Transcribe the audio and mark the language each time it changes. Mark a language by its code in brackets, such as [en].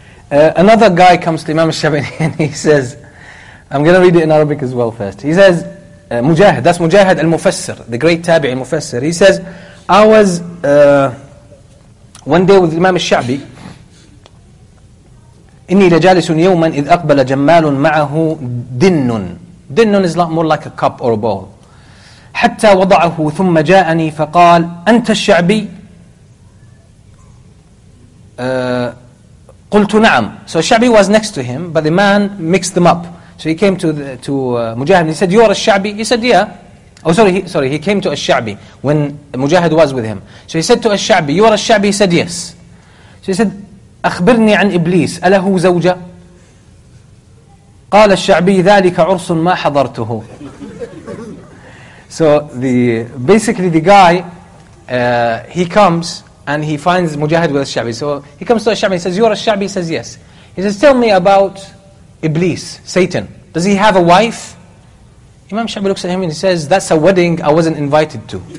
[en] Another guy comes to Imam al-Shabani and he says, I'm going to read it in Arabic as well first. He says, Mujahid, that's Mujahid al-Mufassir, the great Tabi'i al-Mufassir. He says, I was one day with Imam al-Sha'bi. [ar] إني لجالس يوما إذ أقبل جمال معه دنن. [en] دنن is more like a cup or a bowl. [ar] حتى وضعه ثم جاءني فقال أنت الشعبي؟ قلت نعم. [en] So Shabi was next to him, but the man mixed them up. So he came to Mujahid and he said, you're a Shabi? He said, yeah. He came to a Shabi when Mujahid was with him. So he said to a Shabi, you're a Shabi? He said, yes. So he said, [ar] أخبرني عن إبليس أله زوجة؟ قال الشعبي ذلك عرس ما حضرته. [en] So the guy comes and he finds Mujahid with al-Sha'bi. So he comes to al-Sha'bi and says, you're al-Sha'bi? He says, yes. He says, tell me about Iblis, Satan. Does he have a wife? Imam al-Sha'bi looks at him and he says, that's a wedding I wasn't invited to.